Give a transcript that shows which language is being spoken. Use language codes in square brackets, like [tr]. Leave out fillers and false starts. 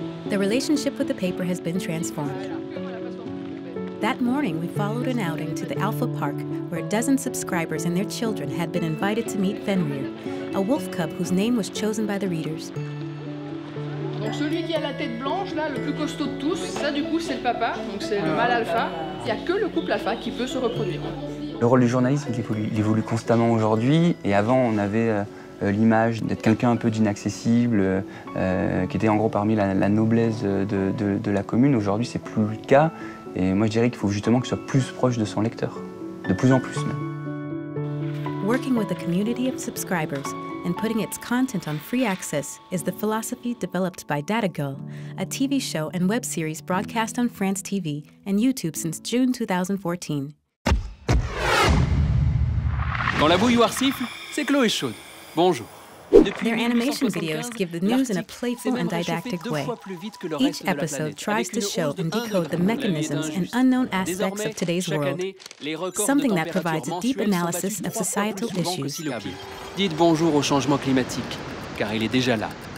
[en] The relationship with the paper has been transformed. That morning, we followed an outing to the Alpha Park, where a dozen subscribers and their children had been invited to meet Fenrir, a wolf cub whose name was chosen by the readers. [fr] Donc celui qui a la tête blanche, là, le plus costaud de tous, ça du coup c'est le papa, donc c'est le mâle alpha. Il n'y a que le couple alpha qui peut se reproduire. Le rôle du journalisme, il évolue constamment aujourd'hui. Et avant, on avait l'image d'être quelqu'un un peu d'inaccessible, qui était en gros parmi la noblesse de la commune. Aujourd'hui, ce n'est plus le cas. Et moi, je dirais qu'il faut justement qu'il soit plus proche de son lecteur, de plus en plus même. [en] Working with a community of subscribers and putting its content on free access is the philosophy developed by Datagull, a TV show and web series broadcast on France TV and YouTube since June 2014. [fr] Quand la bouilloire siffle, c'est que l'eau est chaude. Bonjour. [en] Their animation videos give the news in a playful and didactic way. Each episode tries to show and decode the mechanisms and unknown aspects of today's world, something that provides a deep analysis of societal issues. [fr] Dites bonjour au changement climatique, car il est déjà là.